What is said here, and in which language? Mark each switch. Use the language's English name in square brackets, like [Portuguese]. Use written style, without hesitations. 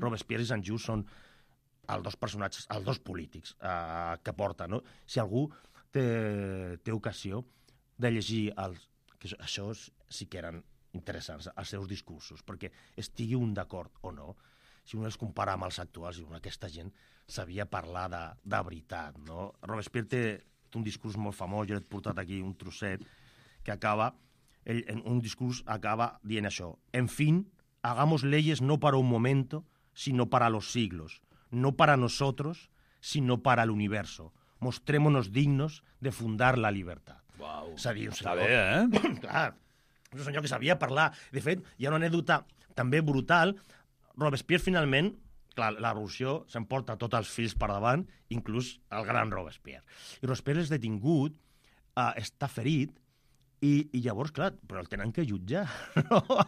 [Catalan] Robespierre i Sant Just són els dos polítics que porten. No? Si algú té ocasió de llegir això sí que eren interessants, els seus discursos, perquè estigui un d'acord o no, si un els compara amb els actuals, aquesta gent sabia parlar de veritat. No? Robespierre té un discurs molt famós, jo l'he portat aquí un trosset, que acaba, un discurs acaba dient això: [Spanish] en fin, hagamos leyes no para un momento, sino para los siglos, no para nosotros, sino para el universo. Mostrémonos dignos de fundar la libertad. [Catalan] Uau, està bé, eh? Clar, és un senyor que sabia parlar. De fet, hi ha una anècdota també brutal. Robespierre, finalment, clar, la revolució s'emporta tots els fills per davant, inclús el gran Robespierre. I Robespierre és detingut, està ferit, i llavors, clar, però el tenen que jutjar, no?